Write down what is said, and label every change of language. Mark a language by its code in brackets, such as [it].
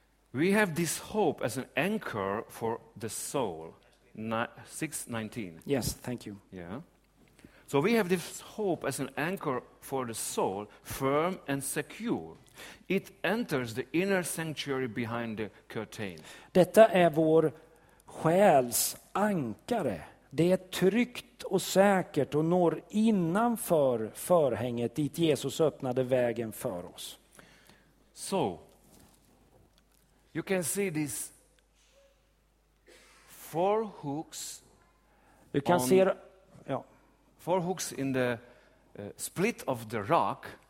[en] We have this hope as an anchor for the soul, 6:19. Yes, thank you. Yeah. So we have this hope as an anchor for the soul, firm and secure. It enters the inner sanctuary behind the curtain. [sv] Detta är vår själs ankare. Det är tryggt och säkert och når innanför förhänget dit Jesus öppnade vägen för oss. [en] So, you can see these four hooks. [sv] Du kan se [en] four hooks in the split of the rock.